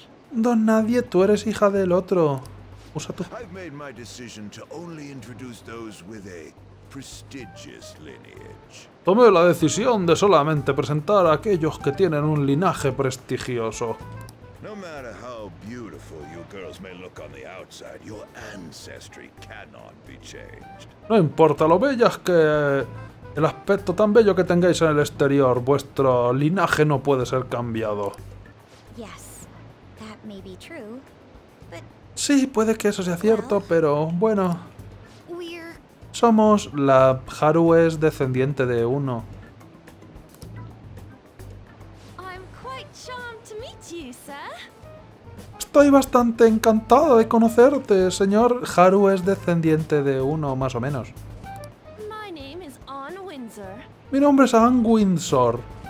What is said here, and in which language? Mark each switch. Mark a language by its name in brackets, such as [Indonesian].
[Spanish] Don nadie, tú eres hija del otro. Usa tu... [English] I've made my decision to only introduce those with a prestigious lineage. [Spanish] Tomé la decisión de solamente presentar a aquellos que tienen un linaje prestigioso. [English] No matter how beautiful you girls may look on the outside, your ancestry cannot be changed. [Spanish] No importa lo bellas que... el aspecto tan bello que tengáis en el exterior, vuestro linaje no puede ser cambiado. [English] Yes, that may be true. [Spanish] Sí, puede que eso sea cierto, [English] Well, [Spanish] pero bueno. [English] we're... [Spanish] Somos la Haru es descendiente de uno. [English] I'm quite charmed to meet you, sir. [Spanish] Estoy bastante encantada de conocerte, señor. Haru es descendiente de uno, más o menos. [English] My name is Anne Windsor. [Spanish] Mi nombre es Anne Windsor.